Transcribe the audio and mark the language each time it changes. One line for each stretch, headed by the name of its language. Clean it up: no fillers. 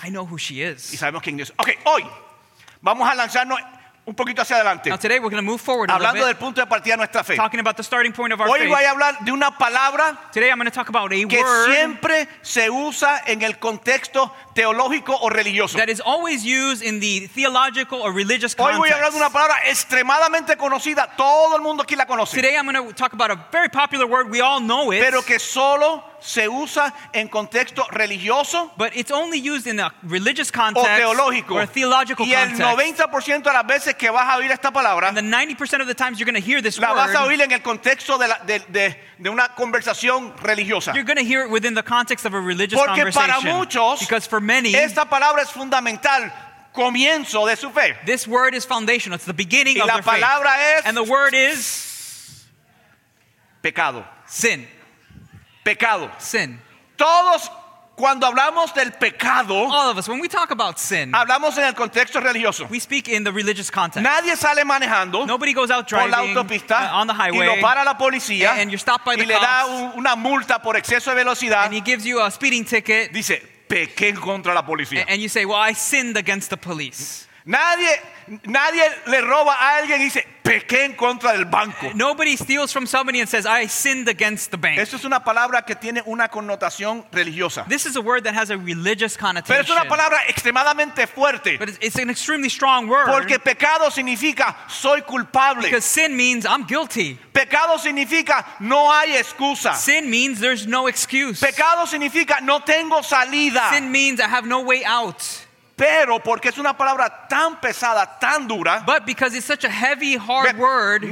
English: I know who she is.
Spanish: Y sabemos quién Dios. Okay, hoy vamos a lanzarnos un poquito hacia adelante.
English: Now today we're going to move forward.
Spanish: Hablando a del punto de partida de nuestra fe.
English: Talking about the starting point of our
Spanish: hoy
English: faith.
Spanish: Hoy voy a hablar de una palabra.
English: Today I'm going to talk about a
Spanish: que
English: word
Spanish: siempre se usa en el contexto teológico o religioso.
English: That is always used in the theological or religious context.
Spanish: Hoy voy a hablar de una palabra extremadamente conocida. Todo el mundo aquí la conoce.
English: Today I'm going to talk about a very popular word. We all know it.
Spanish: Pero que solo se usa en contexto religioso,
English: but it's only used in a religious context,
Spanish: o teológico,
English: or a theological
Spanish: y el 90% de las veces que vas a oír esta palabra,
English: and the 90% of the times you're going to hear this
Spanish: la
English: word,
Spanish: vas a oír en el contexto de la de una conversación religiosa.
English: You're going to hear it within the context of a religious
Spanish: porque
English: conversation.
Spanish: Para muchos,
English: because for many,
Spanish: esta palabra es fundamental. Comienzo de su fe.
English: This word is foundational. It's the beginning
Spanish: y
English: of
Spanish: la their palabra
English: faith. and the word is
Spanish: pecado.
English: Sin.
Spanish: Pecado.
English: Sin.
Spanish: Todos cuando hablamos del pecado,
English: all of us, when we talk about sin,
Spanish: hablamos en el contexto religioso.
English: We speak in the religious context.
Spanish: Nadie sale manejando,
English: nobody goes out driving
Spanish: por la autopista,
English: on the highway,
Spanish: y lo para la policía,
English: and you're stopped by the
Spanish: y le
English: cops,
Spanish: da una multa por exceso de velocidad,
English: and he gives you a speeding ticket,
Spanish: dice, pequé contra la policía.
English: And you say, well, I sinned against the police.
Spanish: Nadie le roba a alguien y dice, pequé en contra del banco.
English: Nobody steals from somebody and says, I sinned against the bank.
Spanish: Esto es una palabra que tiene una connotación religiosa.
English: This is a word that has a religious connotation.
Spanish: Pero es una palabra extremadamente fuerte.
English: But it's an extremely strong word.
Spanish: Porque pecado significa, soy culpable.
English: Because sin means, I'm guilty.
Spanish: Pecado significa, no hay excusa.
English: Sin means, there's no excuse.
Spanish: Pecado significa, no tengo salida.
English: Sin means, I have no way out.
Spanish: Pero porque es una palabra tan pesada, tan dura.
English: But because it's such a heavy, hard word.